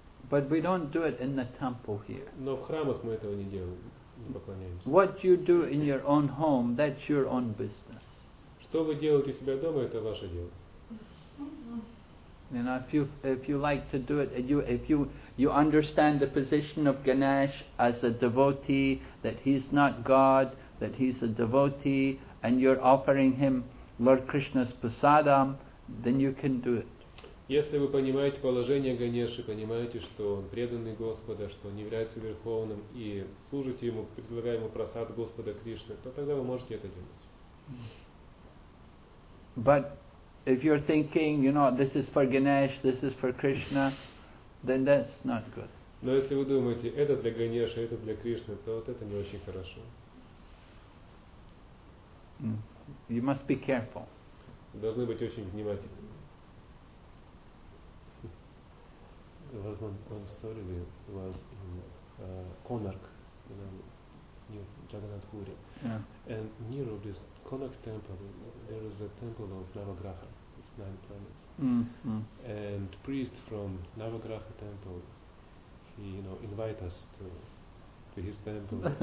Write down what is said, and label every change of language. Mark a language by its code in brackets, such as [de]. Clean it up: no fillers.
[en] But we don't do it in the temple here. [ru] Но в храмах мы этого не делаем, не поклоняемся. [en] What you do in your own home, that's your own business. [ru] Что вы делаете у себя дома, это ваше дело. [en] You know, if you like to do it, if you understand the position of Ganesh as a devotee, that he's not God, that he's a devotee, and you're offering him Lord Krishna's prasadam, then you can do it. [ru] Если вы понимаете положение Ганеши, понимаете, что он преданный Господа, что он является верховным и служите ему, предлагая ему прасад Господа Кришны, то тогда вы можете это делать. [en] But if you're thinking, you know, this is for Ganesh, this is for Krishna, then that's not good. [ru] Но если вы думаете, это для Ганеши, это для Кришны, то вот это не очень хорошо. [en] You must be careful. [ru] Должны быть очень внимательны. [en] Was one story we was in Konark, you know, near Jagannath Puri. Yeah. And near of this Konark temple, there is a temple of Navagraha. Nine planets. And priest from Navagraha temple, he, you know, invite us to his temple.